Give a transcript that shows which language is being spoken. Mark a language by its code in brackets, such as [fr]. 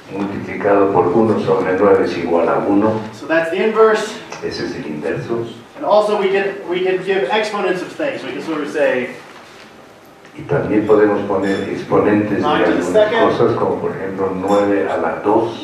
[es] Multiplicado por uno sobre nueve es igual a uno. [en] So that's the inverse. [es] Ese es el inverso. [en] And also, we can give exponents of things. We can sort of say. [es] Y también podemos poner exponentes de algunas cosas, como por ejemplo nueve a la dos.